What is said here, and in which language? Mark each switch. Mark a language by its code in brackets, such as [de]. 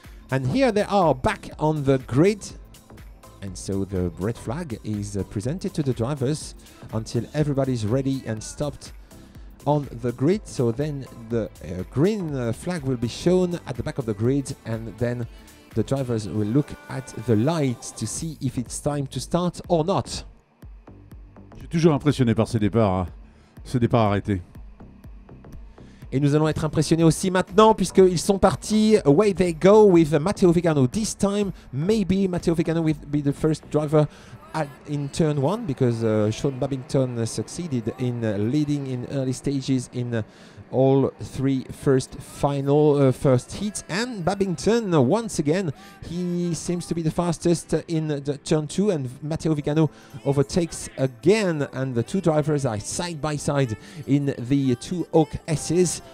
[en] And here they are back on the grid. And so the red flag is presented to the drivers until everybody's ready and stopped on the grid. So then the green flag will be shown at the back of the grid, and then the drivers will look at the light to see if it's time to start or not. [fr] Je suis toujours impressionné par ces départs, hein. Ce départ arrêté. Et nous allons être impressionnés aussi maintenant, puisqu'ils sont partis. [en] Away they go with Matteo Vigano. This time, maybe Matteo Vigano will be the first driver in turn one, because Sean Babington succeeded in leading in early stages in all three first heats. And Babington, once again, he seems to be the fastest in the turn two, and Matteo Vigano overtakes again, and the two drivers are side by side in the two Oak S's.